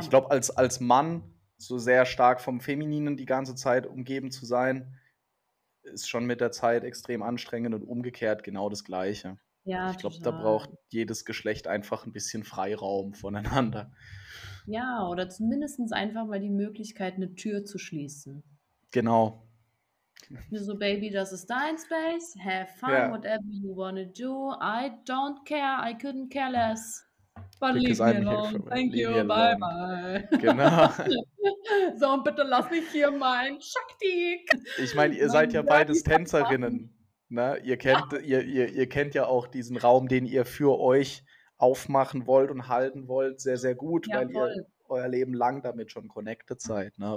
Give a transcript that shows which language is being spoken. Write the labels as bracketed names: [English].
[German] Ich glaube, als Mann so sehr stark vom Femininen die ganze Zeit umgeben zu sein, ist schon mit der Zeit extrem anstrengend und umgekehrt genau das Gleiche. Ja, ich glaube, da braucht jedes Geschlecht einfach ein bisschen Freiraum voneinander. Ja, oder zumindest einfach mal die Möglichkeit, eine Tür zu schließen. Genau. So, Baby, das ist dein Space. [English] Have fun, whatever you wanna do. I don't care, I couldn't care less. But leave me alone. Thank you, bye bye. [German] Genau. So, und bitte lass mich hier mein Shakti. Ich meine, ihr seid ja beides Tänzerinnen. Ne? Ihr kennt ja auch diesen Raum, den ihr für euch aufmachen wollt und halten wollt, sehr, sehr gut, ja, weil ihr euer Leben lang damit schon connected seid. Ne?